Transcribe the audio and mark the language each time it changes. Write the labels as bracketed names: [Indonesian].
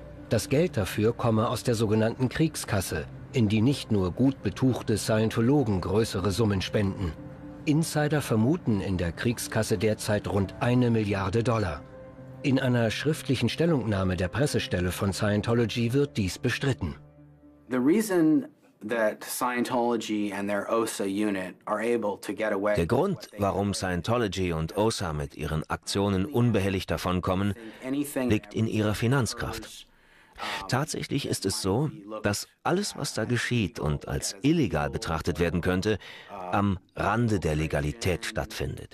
[German] Das Geld dafür komme aus der sogenannten Kriegskasse, in die nicht nur gut betuchte Scientologen größere Summen spenden. Insider vermuten in der Kriegskasse derzeit rund 1 Milliarde Dollar. In einer schriftlichen Stellungnahme der Pressestelle von Scientology wird dies bestritten. [English] The reason that Scientology and their OSA unit are able to get away. [German] Der Grund, warum Scientology und OSA mit ihren Aktionen unbehelligt davonkommen, liegt in ihrer Finanzkraft. Tatsächlich ist es so, dass alles, was da geschieht und als illegal betrachtet werden könnte, am Rande der Legalität stattfindet.